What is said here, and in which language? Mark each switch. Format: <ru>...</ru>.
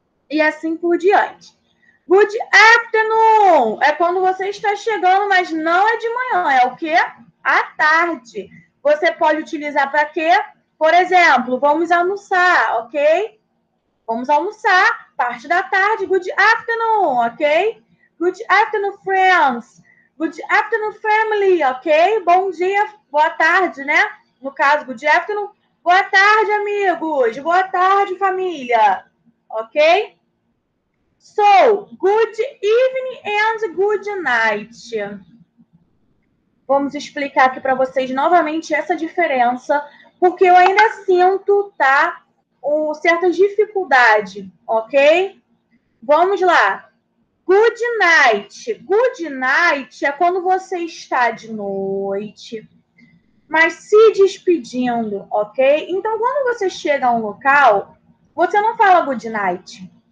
<pt>E assim por diante.</pt> <en>Good afternoon!</en> <pt>É quando você está chegando, mas não é de manhã, é o quê? À tarde. Você pode utilizar para quê? Por exemplo, vamos almoçar, ok? Vamos almoçar, parte da tarde.</pt> <en>Good afternoon, ok? Good afternoon, friends. Good afternoon, family, ok?</en> <pt>Bom dia, boa tarde, né? No caso,</pt> <en>good afternoon.</en> <pt>Boa tarde, amigos. Boa tarde, família. Ok?</pt> <en>So, good evening and good night.</en> <pt>Vamos explicar aqui para vocês novamente essa diferença, porque eu ainda sinto, tá, certa dificuldade, ok? Vamos lá.</pt> <en>Good night.</en> <pt>Good night é quando você está de noite, mas se despedindo, ok? Então, quando você chega a um local, você não fala good night.</pt>